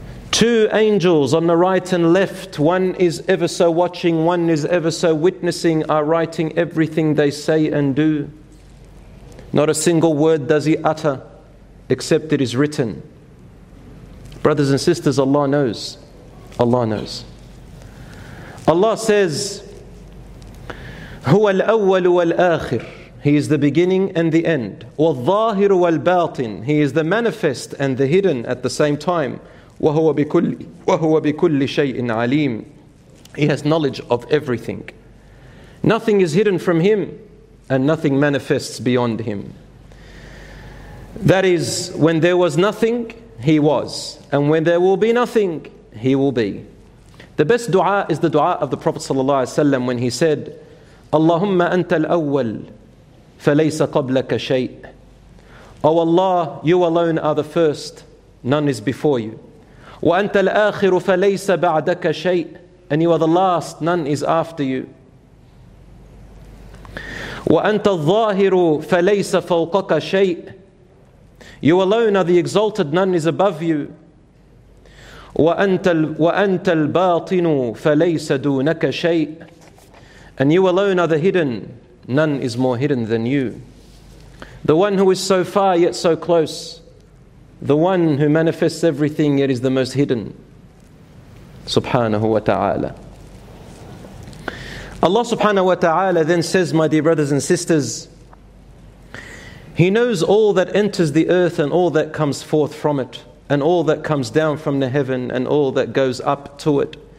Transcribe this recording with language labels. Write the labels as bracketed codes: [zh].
[en] Two angels on the right and left, one is ever so watching, one is ever so witnessing, are writing everything they say and do. Not a single word does He utter, except it is written. Brothers and sisters, Allah knows. Allah knows. Allah says, [ar] هُوَ الْأَوَّلُ وَالْآخِرُ. [en] He is the beginning and the end. [ar] والظاهر والباطن. [en] He is the manifest and the hidden at the same time. [ar] وهو بكل شيء عليم. [en] He has knowledge of everything. Nothing is hidden from Him, and nothing manifests beyond Him. That is, when there was nothing, He was. And when there will be nothing, He will be. The best dua is the dua of the Prophet sallallahu alaihi wasallam, when he said, [ar] اللهم أنت الأول فليس قبلك شيء. [en] Oh Allah, you alone are the first, none is before you. [ar] وأنت الآخر فليس بعدك شيء. [en] And you are the last, none is after you. [ar] وأنت الظاهر فليس فوقك شيء. [en] You alone are the exalted, none is above you. [ar] وأنت الباطن فليس دونك شيء. [en] And you alone are the hidden, none is more hidden than you. The one who is so far yet so close, the one who manifests everything yet is the most hidden. Subhanahu wa ta'ala. Allah subhanahu wa ta'ala then says, my dear brothers and sisters, He knows all that enters the earth and all that comes forth from it, and all that comes down from the heaven and all that goes up to it.